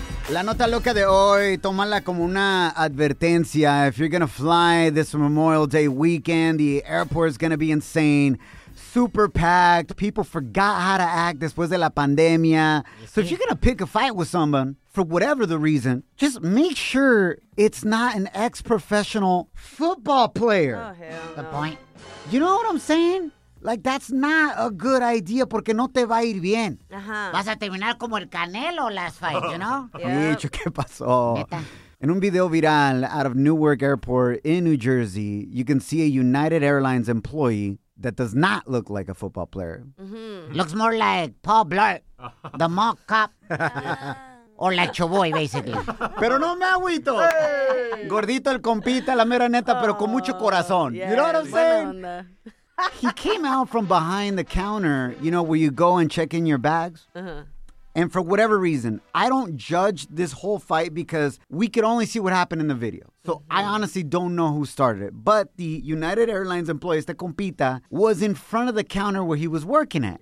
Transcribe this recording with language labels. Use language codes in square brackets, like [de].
[es] La nota loca de hoy, tómala como una advertencia. [en] If you're going to fly this Memorial Day weekend, the airport is going to be insane. Super packed. People forgot how to act [es] después de la pandemia. [en] So if you're going to pick a fight with someone, for whatever the reason, just make sure it's not an ex-professional football player. Oh, hell no. The point. You know what I'm saying? Like, that's not a good idea [es] porque no te va a ir bien. Uh-huh. Vas a terminar como el Canelo [en] last fight, you know? [es] Micho, ¿qué pasó? En un video viral [en] out of Newark Airport in New Jersey, you can see a United Airlines employee that does not look like a football player. Mm-hmm. Looks more like Paul Blart, the mock cop. Or like Choboy, basically. [es] Pero no me agüito. [en] Hey. [es] Gordito el compita, la mera neta, pero con mucho corazón. [en] Yeah, you know what I'm saying? He came out from behind the counter, you know, where you go and check in your bags. Uh-huh. And for whatever reason, I don't judge this whole fight because we could only see what happened in the video. So mm-hmm. I honestly don't know who started it. But the United Airlines employee, [es] este compita, [en] was in front of the counter where he was working at.